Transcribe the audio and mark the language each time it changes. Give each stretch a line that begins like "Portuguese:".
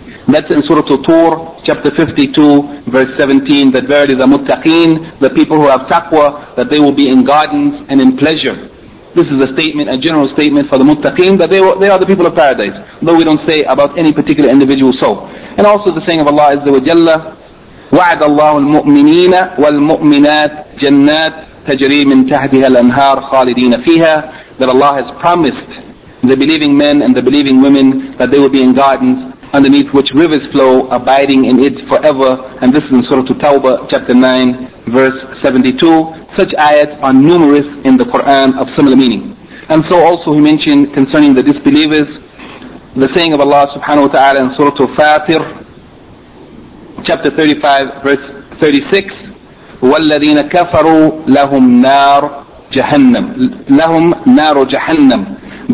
English: That's in Surah Al-Tur, chapter 52, verse 17, that verily the muttaqeen, the people who have taqwa, that they will be in gardens and in pleasure. This is a statement, a general statement for the muttaqeen, that they are the people of paradise, though we don't say about any particular individual so. And also the saying of Allah Azza wa Jalla,
Arabic: وَعَدَ اللَّهُ الْمُؤْمِنِينَ وَالْمُؤْمِنَاتِ جَنَّاتِ تَجْرِي مِنْ تَحْتِهَا الْأَنْهَارِ خَالِدِينَ فِيهَا.
English: That Allah has promised the believing men and the believing women that they will be in gardens underneath which rivers flow, abiding in it forever. And this is in Surah Tawbah, chapter 9, verse 72. Such ayats are numerous in the Quran of similar meaning. And so also he mentioned concerning the disbelievers, the saying of Allah subhanahu wa ta'ala in Surah Fatir, chapter 35, verse 36,
Arabic: وَالَّذِينَ كَفَرُوا لَهُمْ نَارٌ جَهَنَّمْ لَهُمْ نَارُ جَهَنَّمْ.